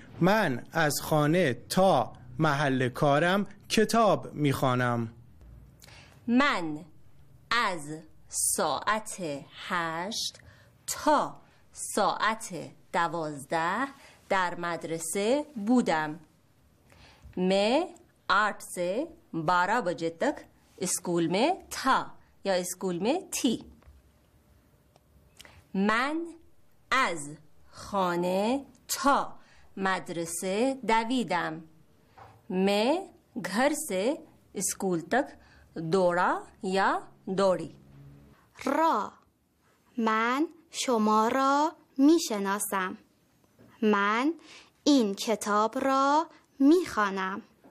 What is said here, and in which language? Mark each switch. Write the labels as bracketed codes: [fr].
[fa] من از خانه تا محل کارم کتاب می خوانم. من از ساعت 8 تا ساعت 12 در مدرسه بودم. [ur] می آرت سے 12 بجے تک اسکول میں تھا یا اسکول میں تھی. [fa] من از خانه تا مدرسه دویدم. [ur] میں گھر سے اسکول تک دوڑا یا دوڑی. [fa] را من شما را می شناسم. من این کتاب را می خوانم.